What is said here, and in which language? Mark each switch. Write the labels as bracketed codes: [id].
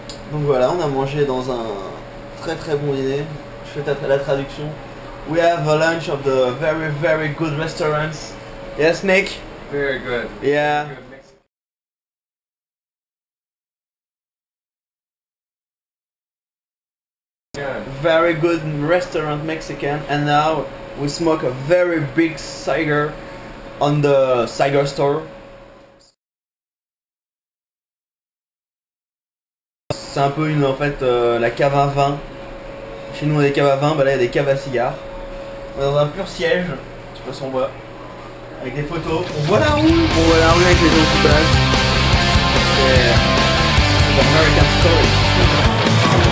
[fr] Donc voilà, on a mangé dans un très très bon dîner. Je fais la traduction. [en] We have a lunch of the very very good restaurants. Yes, Nick? Very good. Yeah. Very good restaurant Mexican. And now we smoke a very big cigar on the cigar store. [fr] C'est un peu une, en fait, la cave à vin. Chez nous on a des caves à vin, bah là il y a des caves à cigares. On est dans un pur siège, je sais pas si on voit, avec des photos. On voit la rue avec les gens qui passent. [en] The American story.